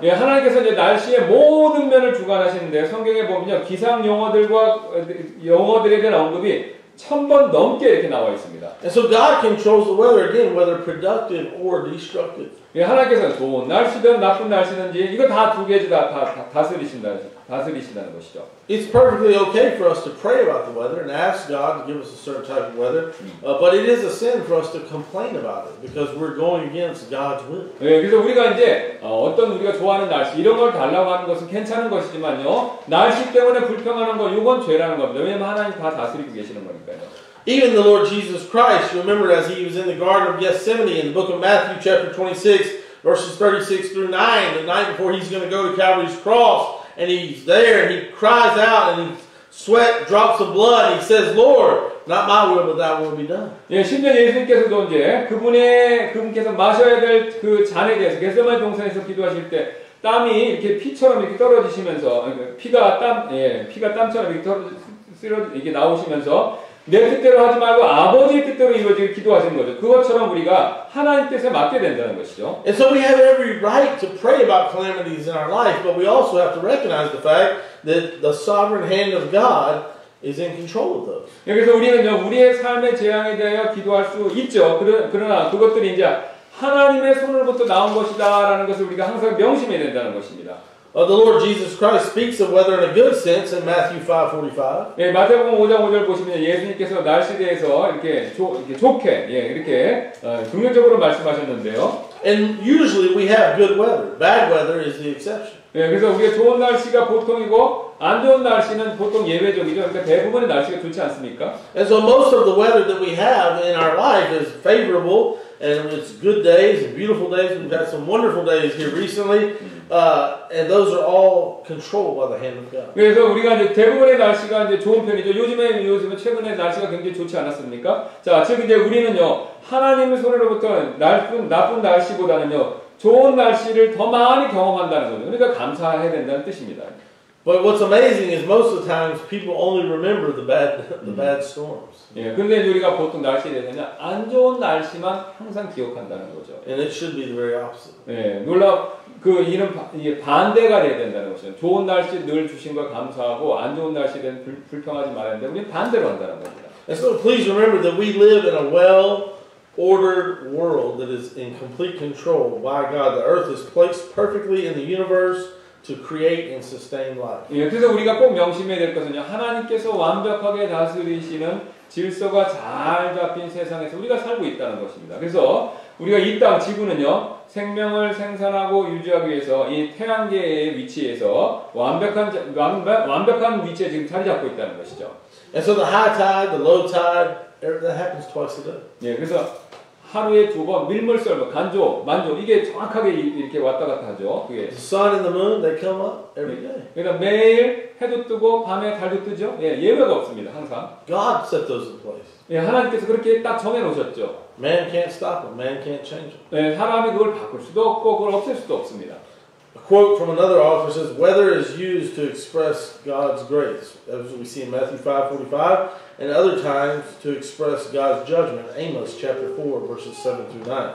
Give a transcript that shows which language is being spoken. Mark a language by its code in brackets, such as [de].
[ko] 예, 하나님께서 이제 날씨의 모든 면을 주관하시는데 성경에 보면요 기상 용어들과 용어들에 대한 언급이 1,000번 넘게 이렇게 나와 있습니다. [en] And so God controls the weather again, whether productive or destructive. [ko] 예, 하나님께서 좋은 날씨든 나쁜 날씨든지 이거 다 두 개 다스리신다는 것이죠. [en] It's perfectly okay for us to pray about the weather and ask God to give us a certain type of weather, but it is a sin for us to complain about it because we're going against God's will. [ko] 예, 그래서 우리가 이제 어떤 우리가 좋아하는 날씨 이런 걸 달라고 하는 것은 괜찮은 것이지만요, 날씨 때문에 불평하는 거 이건 죄라는 겁니다. 왜냐하면 하나님 다 다스리고 계시는 거니까요. [en] Even the Lord Jesus Christ, remember as he was in the Garden of Gethsemane in the book of Matthew chapter 26, verses 36 through 9, the night before he's going to go to Calvary's cross, and he's there and he cries out and sweat drops of blood. He says, Lord, not my will, but thy will be done. [ko] 예, 심지어 예수님께서도 이제 그분께서 마셔야 될 그 잔에 대해서, 겟세마네 동산에서 기도하실 때, 땀이 이렇게 피처럼 이렇게 떨어지시면서, 피가 땀처럼 이렇게 떨어지시면서, 쓰러져 이게 나오시면서 내 뜻대로 하지 말고 아버지 뜻대로 이루어지길 기도하시는 거죠. 그것처럼 우리가 하나님 뜻에 맞게 된다는 것이죠. [en] And so we have every right to pray about calamities in our life, but we also have to recognize the fact that the sovereign hand of God is in control of those. [ko] 여기서 우리는요, 우리의 삶의 재앙에 대하여 기도할 수 있죠. 그러나 그것들이 이제 하나님의 손으로부터 나온 것이다라는 것을 우리가 항상 명심해야 된다는 것입니다. [en] The Lord Jesus Christ speaks of weather in a good sense in Matthew 5:45. [ko] 예, 마태복음 5장 5절 보시면 예수님께서 날씨에 대해서 이렇게 좋게 예, 이렇게 긍정적으로 말씀하셨는데요. [en] And usually we have good weather. Bad weather is the exception. [ko] 예, 그래서 우리가 좋은 날씨가 보통이고 안 좋은 날씨는 보통 예외적이죠. 그러니까 대부분의 날씨가 좋지 않습니까? [en] And so most of the weather that we have in our life is favorable. And it's good days and beautiful days. We've got some wonderful days here recently. And those are all controlled by the hand of God. [ko] 그래서 우리가 이제 대부분의 날씨가 이제 좋은 편이죠. 요즘에 최근에 날씨가 굉장히 좋지 않았습니까? 자, 지금 이제 우리는요, 하나님의 손으로부터 나쁜 날씨보다는요, 좋은 날씨를 더 많이 경험한다는 거죠. 그러니까 감사해야 된다는 뜻입니다. [en] But what's amazing is most of the times people only remember the bad storms. [ko] 예, 근데 우리가 보통 날씨에 대해서는 안 좋은 날씨만 항상 기억한다는 거죠. [en] And it should be the very opposite. [ko] 예, 놀라 그 이런 이게 반대가 돼야 된다는 것이죠. 좋은 날씨 늘 주신 걸 감사하고 안 좋은 날씨에 대해 불평하지 말아야 되는데 우리는 반대로 한다는 겁니다. [en] And so please remember that we live in a well-ordered world that is in complete control by God. The earth is placed perfectly in the universe. To create and sustain life. [ko] 예, 그래서 우리가 꼭 명심해야 될 것은요, 하나님께서 완벽하게 다스리시는 질서가 잘 잡힌 세상에서 우리가 살고 있다는 것입니다. 그래서 우리가 이 땅, 지구는요, 생명을 생산하고 유지하기 위해서 이 태양계의 위치에서 완벽한 위치에 지금 자리 잡고 있다는 것이죠. [en] And so the high tide, the low tide, everything happens twice a day. [ko] 예, 그래서 하루에 두 번 밀물설, 간조, 만조 이게 정확하게 이렇게 왔다 갔다 하죠. 그게. [en] The sun and the moon they come up every day. [ko] 그러니까 매일 해도 뜨고 밤에 달도 뜨죠. 예, 예외가 없습니다. 항상. [en] God set those in place. [ko] 예, 하나님께서 그렇게 딱 정해 놓으셨죠. [en] Man can't stop them. Man can't change them. [ko] 예, 사람이 그걸 바꿀 수도 없고 그걸 없앨 수도 없습니다. [en] A quote from another author says, "Weather is used to express God's grace, as we see in Matthew 5:45, and other times to express God's judgment, Amos 4:7-9."